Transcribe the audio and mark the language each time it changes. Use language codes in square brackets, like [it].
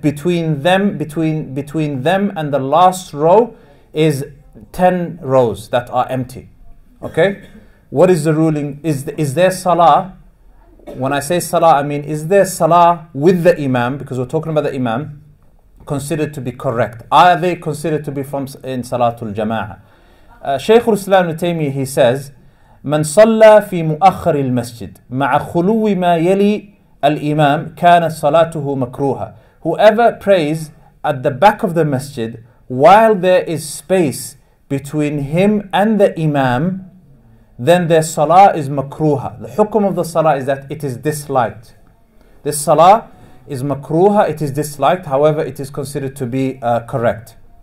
[en] Between them and the last row is 10 rows that are empty. Okay, what is the ruling? Is there salah? When I say salah, I mean, is there salah with the imam, because we're talking about the imam, considered to be correct? Are they considered to be from in Salatul Jama'ah? [ar] Shaykh al-Islam ibn Taymiyyah, [en] he says, [ar] من صلى في مؤخر المسجد مع خلو ما يلي الإمام كان صلاته مكروها. [en] Whoever prays at the back of the masjid while there is space between him and the imam, then their salah is makruha. The hukum of the salah is that it is disliked. This salah is makruha, it is disliked, however it is considered to be correct.